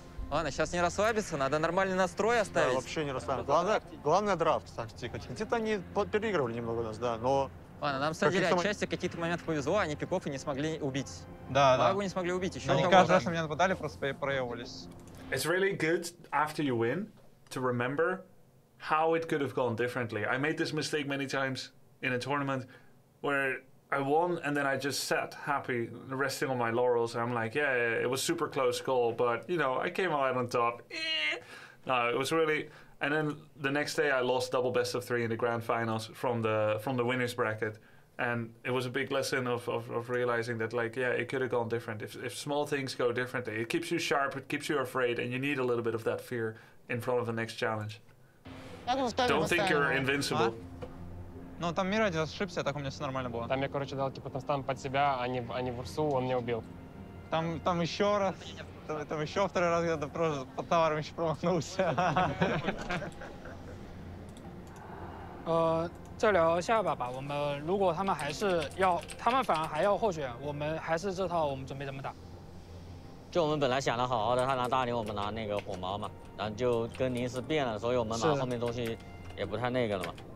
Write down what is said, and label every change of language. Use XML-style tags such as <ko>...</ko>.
<ru>Ладно, сейчас не расслабиться, надо нормальный настрой оставить. Да, вообще не расслабиться. Главное драфт, так тихо. Где-то они переигрывали немного нас, да, но... Ладно, нам садили отчасти, какие-то моменты повезло, они пиков и не смогли убить. Да, Магу да. Магу не смогли убить, еще никого. Каждый раз на меня нападали, просто проявились.</ru> <en>It's really good after you win to remember how it could have gone differently. I made this mistake many times in a tournament where... I won, and then I just sat happy, resting on my laurels. I'm like, yeah, it was super close call, but, you know, I came out on top. No, it was really... And then the next day, I lost double best of three in the grand finals from the winner's bracket. And it was a big lesson of realizing that, like, yeah, it could have gone different. If small things go differently, it keeps you sharp, it keeps you afraid, and you need a little bit of that fear in front of the next challenge. Don't think you're invincible.</en> <ru>Ну, там мир один раз ошибся, а так у меня все нормально было. Там я, короче, дал типа тостан под себя, а не в урсу, он меня убил. Там еще раз, там еще второй раз я просто под товаром еще промахнулся.</ru> <zh>再聊一下吧，我们如果他们还是要，他们反而还要候选，我们还是这套我们准备怎么打。就我们本来想的好好的，他拿大牛，我们拿那个火矛嘛，然后就跟临时变了，所以我们拿后面东西也不太那个了嘛。</zh>